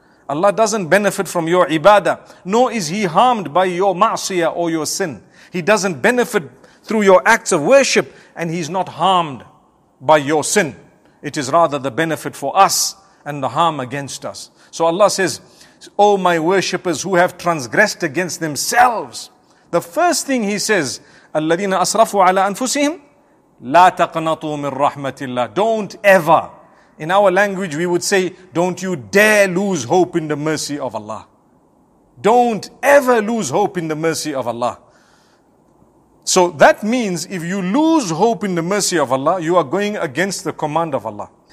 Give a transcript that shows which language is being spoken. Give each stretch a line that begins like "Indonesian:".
English: Allah doesn't benefit from your ibadah, nor is he harmed by your ma'siyah or your sin. He doesn't benefit through your acts of worship, and he's not harmed by your sin. It is rather the benefit for us and the harm against us. So Allah says, O my worshippers who have transgressed against themselves. The first thing he says,
Arabic: الَّذِينَ أَسْرَفُوا عَلَىٰ أَنفُسِهِمْ لَا تَقْنَطُوا مِن رَحْمَةِ اللَّهِ.
English: Don't ever. In our language we would say, don't you dare lose hope in the mercy of Allah. Don't ever lose hope in the mercy of Allah. So that means if you lose hope in the mercy of Allah, you are going against the command of Allah.